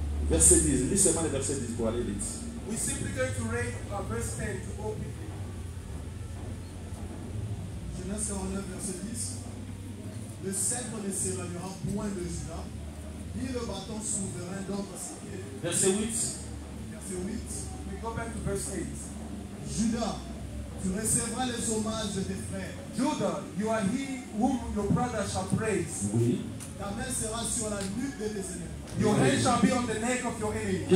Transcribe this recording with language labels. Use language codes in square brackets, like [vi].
[fr] Verset 10, lis seulement le verset 10 pour aller vite. [en] We simply going to read verse 10 to all people. [fr] Genèse 49, verset 10. Le sceptre ne s'éloignera point de Juda, ni le bâton souverain d'entre ses pieds. Verset 8. Verset 8. [en] We go back to verse 8. [fr] Juda, tu recevras les hommages de tes frères. [en] Juda, you are he whom your brother shall praise. [fr] Oui. Ta main sera sur la nuque de tes ennemis. [en] Your hand shall be on the neck of your enemy.